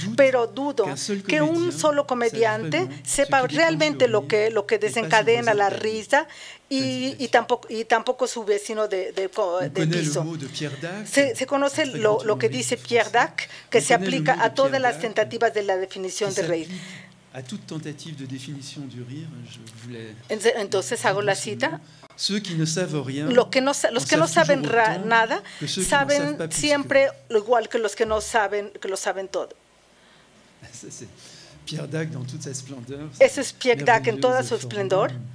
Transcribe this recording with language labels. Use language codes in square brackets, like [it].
[es] Pero dudo que un solo comediante sepa realmente lo que desencadena la risa y tampoco su vecino de piso. Se conoce lo que dice Pierre Dac, que se aplica a todas las tentativas de la definición de reír. [fr] A toute tentative de définition du rire, je voulais. [es] Entonces hago la cita. [fr] Ceux qui ne savent rien. [es] Los que no saben nada saben siempre lo igual que los que no saben, que lo saben todo. [fr] C'est Pierre Dac dans toute sa splendeur. [es] Ese es Pierre Dac en toda su esplendor.